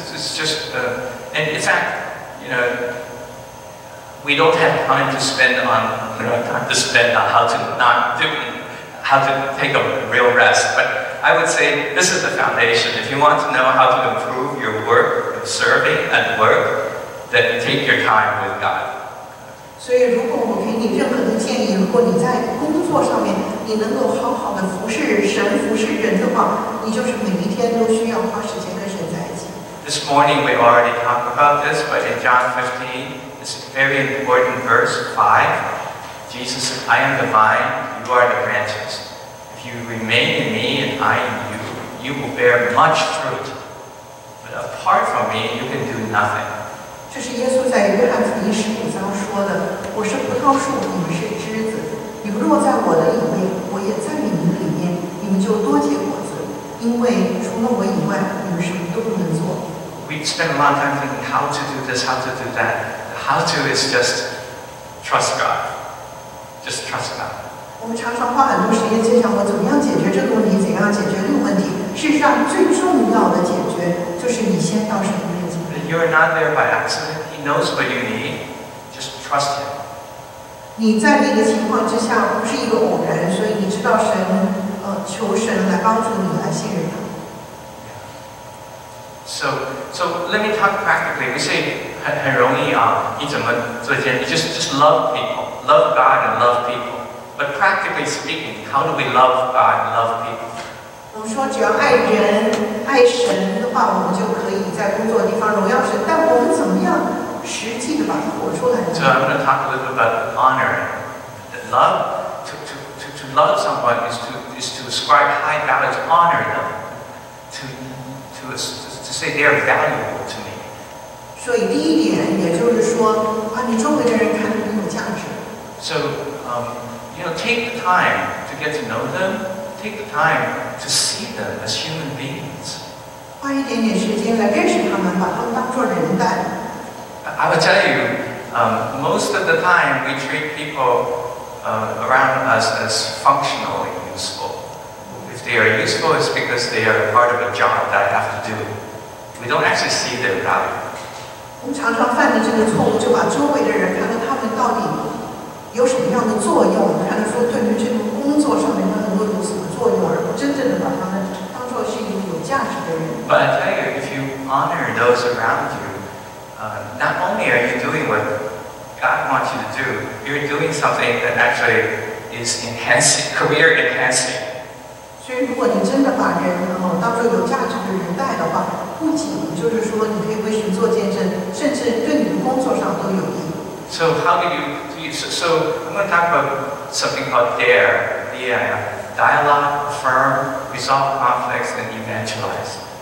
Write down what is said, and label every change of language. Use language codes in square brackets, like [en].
[en] And in fact, you know, we don't have time to spend on, we don't have time to spend on how to not do, how to take a real rest. But I would say this is the foundation. If you want to know how to improve your work, your serving at work, then take your time with God. [zh] 所以如果我给你任何的建议，如果你在工作上面你能够好好的服侍神、服侍人的话，你就是每一天都需要花时间跟神在一起。 [en] This morning we already talked about this, but in John 15, this is a very important verse 5. Jesus said, I am the vine, you are the branches. If you remain in me and I in you, you will bear much fruit. But apart from me, you can do nothing. [zh] 这是耶稣在约翰福音十五章说的：“我是葡萄树，你们是枝子。你们若在我的里面，我也在你们里面，你们就多结果子。因为除了我以外，你们什么都不能做。” [en] We spend a lot of time thinking how to do this, how to do that. How to is just trust God. Just trust God. [zh] 我们常常花很多时间在想我怎么样解决这个问题，怎样解决那个问题。事实上，最重要的解决就是你先到神。 [en] You are not there by accident. He knows what you need. Just trust him. [zh] 你在那个情况之下不是一个偶然，所以你知道神，求神来帮助你，来信任他。 [en] So let me talk practically. We say [zh] 很容易啊，你怎么做这件事？ [en] Just love people, love God and love people. But practically speaking, how do we love God and love people? [zh] 我们说，只要爱人、爱神的话，我们就可以在工作的地方荣耀神。但我们怎么样实际的把它活出来呢 [en] ？So I'm going to talk a little bit about honor. The love to love someone is to ascribe high value, to honor them, to say they are valuable to me. [zh] 所以第一点，也就是说啊，你周围的人看你有价值。 [en] So you know, take the time to get to know them. Take the time to see them as human beings. [zh] 花一点点时间来认识他们，把他们当作人待。 [en] I will tell you, most of the time we treat people around us as functional and useful. If they are useful, it's because they are part of a job that I have to do. We don't actually see their value. [zh] 我们常常犯的这个错误，就把周围的人看到他们到底有什么样的作用，看到说对于这个工作上面。 [en] But I tell you, if you honor those around you, not only are you doing what God wants you to do, you're doing something that actually is enhancing, career enhancing. [zh] 所以如果你真的把人然后当作有价值的人带的话，不仅就是说你可以为神做见证，甚至对你的工作上都有益。 [en] So how do you? So I'm going to talk about something called DARE, D-A-R-E, dialogue, affirm, resolve conflicts, and evangelize.